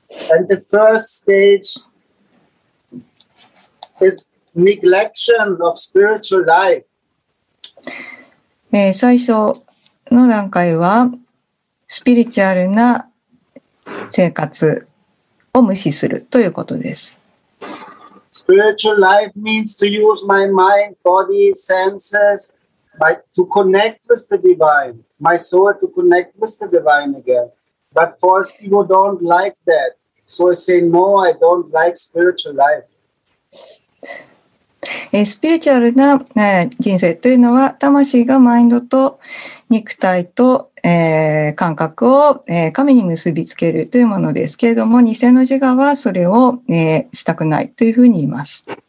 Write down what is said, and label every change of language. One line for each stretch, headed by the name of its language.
English: And the first stage is neglection of spiritual life.
Japanese: 最初の段階はスピリチュアルな生活を無視するということです。
English: Spiritual life means to use my mind, body, senses, to connect with the divine, my soul to connect with the divine again. But false people don't like that. So I say, no, I don't like spiritual life.
Japanese: スピリチュアルな人生というのは魂がマインドと肉体と感覚を神に結びつけるというものですけれども、偽の自我はそれをしたくないというふうに言います。